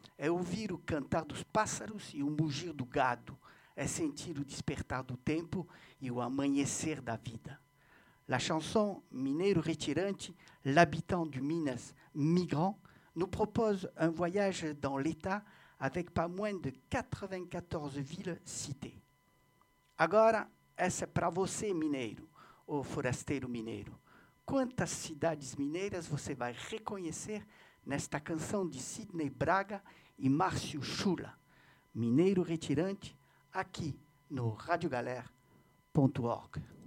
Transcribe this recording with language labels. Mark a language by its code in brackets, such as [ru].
[pt] É ouvir o cantar dos pássaros e o mugir do gado. É sentir o despertar do tempo e o amanhecer da vida. [fr] La chanson Mineiro Retirante, l'habitant du Minas migrant, nous propose un voyage dans l'État avec pas moins de 94 villes citées. [pt] Agora, essa é para você, mineiro, ou forasteiro mineiro. Quantas cidades mineiras você vai reconhecer nesta canção de Sidney Braga e Márcio Chula? Mineiro Retirante, aqui no radiogaler.org.